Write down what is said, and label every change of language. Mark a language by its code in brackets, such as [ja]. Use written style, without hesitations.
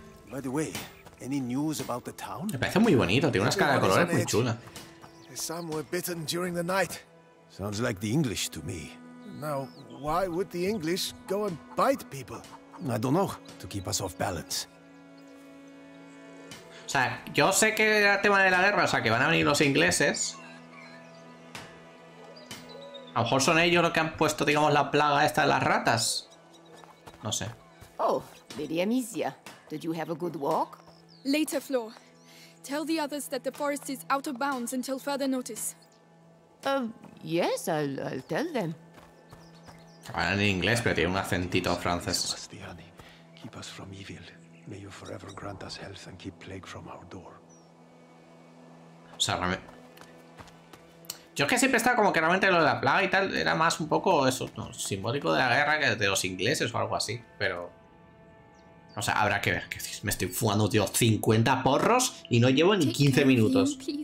[en] By the way, any news about the town? [es] Me parece muy bonito, tiene una escala de colores muy chula. [en] Some were bitten during the night. Sounds like the English to me. Now, why would the English go and bite people? I don't know, to keep us off balance. [es] O sea, yo sé que era tema de la guerra, o sea, que van a venir los ingleses. A lo mejor son ellos los que han puesto, digamos, la plaga esta de las ratas. No sé. [en] Oh, Lady Amicia, did you have a good walk? Later, Floor. Tell the others that the forest is out of bounds until further notice. Yes, I'll tell them. [es] Hablan en inglés, pero tiene un acentito francés. [en] Keep us from evil. May you forever grant us health and keep plague from our door. [es] O sea, realmente... Yo es que siempre estaba como que realmente lo de la plaga y tal era más un poco eso, no, simbólico de la guerra que de los ingleses o algo así, pero... O sea, habrá que ver, que me estoy fumando, tío, 50 porros y no llevo ni 15 minutos.